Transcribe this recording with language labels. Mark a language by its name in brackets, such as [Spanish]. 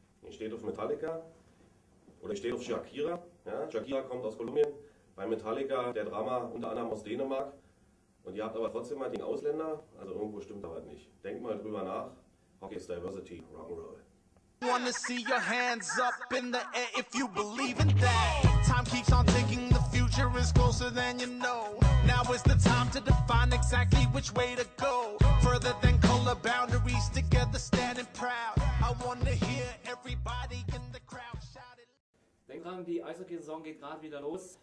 [German] steht auf Metallica oder ich stehe auf Shakira. Ja, Shakira kommt aus Kolumbien, bei Metallica der Drama unter anderem aus Dänemark. Und ihr habt aber trotzdem mal den Ausländer, also irgendwo stimmt da halt nicht. Denkt mal drüber nach. Hockey ist Diversity, Rock'n'Roll. [English] I wanna see your hands up in the air if you believe in that. Time keeps on ticking, the future is closer than you know. Now is the time to define exactly which way to go. Further than color boundaries, together standing proud. I wanna hear everybody in the crowd shout it. [German] Denk dran, die Eishockey-Saison geht gerade wieder los.